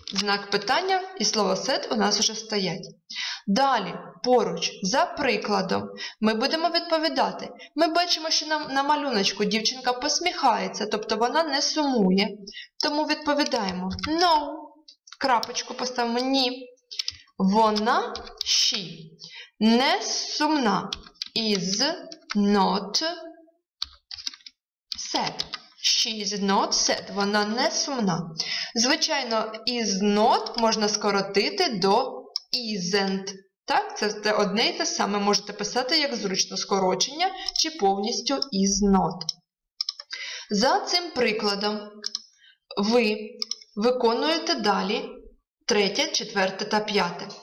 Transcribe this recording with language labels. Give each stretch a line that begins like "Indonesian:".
Ukrainian: Знак питання і слово sad у нас вже стоять. Далі, поруч, за прикладом, ми будемо відповідати. Ми бачимо, що на малюночку дівчинка посміхається, тобто вона не сумує. Тому відповідаємо no, крапочку поставимо ні. Вона
English: she,
Ukrainian: не сумна,
English: is not sad. She is not sad.
Ukrainian: Вона не сумна. Звичайно,
English: is not
Ukrainian: можна скоротити до isn't. Так, це одне і те саме, можете писати як зручно скорочення чи повністю
English: is not.
Ukrainian: За цим прикладом ви виконуєте далі третє, четверте та п'яте.